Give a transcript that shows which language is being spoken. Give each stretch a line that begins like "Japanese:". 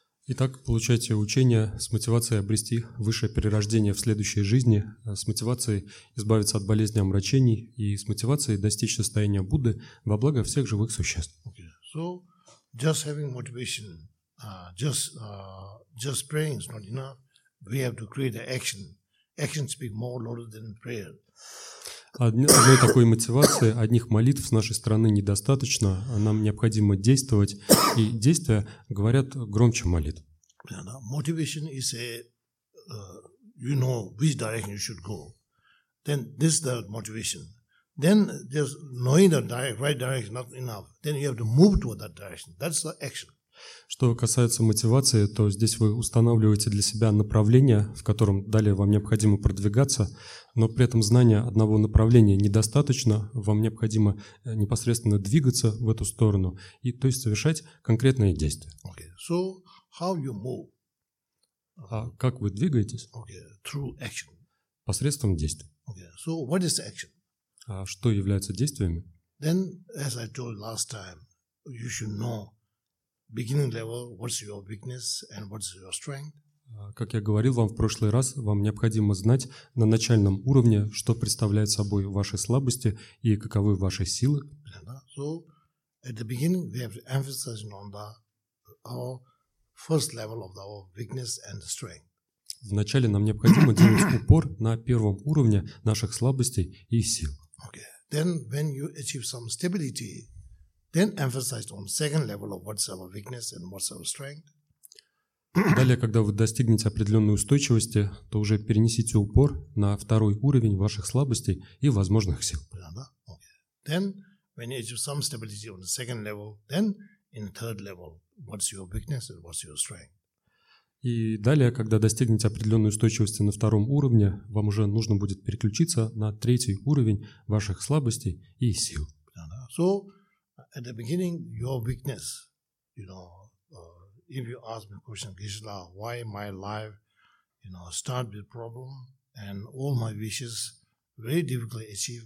Russian: Итак, получайте учение с мотивацией обрести высшее перерождение в следующей жизни, с мотивацией избавиться от болезни омрачений и с мотивацией достичь состояния Будды во благо всех живых существ.
English: Okay. So, just having motivation, just praying is not enough. We have to create the action. Action speak more louder than prayer.
Russian: Одной такой мотивации, одних молитв с нашей стороны недостаточно. Нам необходимо действовать, и действия говорят громче молитв.
English: Motivation is a, you know, which direction you should go. Then this is the motivation. Then just knowing the right direction is not enough. Then you have to move toward that direction. That's the action.
Russian: Что касается мотивации, то здесь вы устанавливаете для себя направление, в котором далее вам необходимо продвигаться, но при этом знания одного направления недостаточно, вам необходимо непосредственно двигаться в эту сторону и, то есть, совершать конкретные действия.
English: Okay. So how you move?
Russian: А как вы двигаетесь?
English: Okay. Through action.
Russian: Посредством действий.
English: Okay. So what is action?
Russian: А что является действиями?
English: Then, as I told last time, you should know. Beginning level, what's your weakness and what's your strength?
Russian: Как я говорил вам в прошлый раз, вам необходимо знать на начальном уровне, что представляет собой ваши слабости и каковы ваши силы.
English: So, at the beginning, we have to emphasize on the our first level of our weakness and strength.
Russian: Вначале нам необходимо делать упор на первом уровне наших слабостей и сил.
English: Okay. Then, when you achieve some stability. Then emphasize on second level of what's our weakness and what's our strength.
Russian: Далее, когда вы достигнете определенной устойчивости, то уже перенесите упор на второй уровень ваших слабостей и возможных сил.
English: Then, when you achieve some stability on the second level, then in the third level, what's your weakness and what's your strength?
Russian: И далее, когда достигнете определенной устойчивости на втором уровне, вам уже нужно будет переключиться на третий уровень ваших слабостей и сил.
English: So, at the beginning, your weakness, you know, if you ask me question, Krishna, why my life, you know, start with problem and all my wishes very difficult to achieve.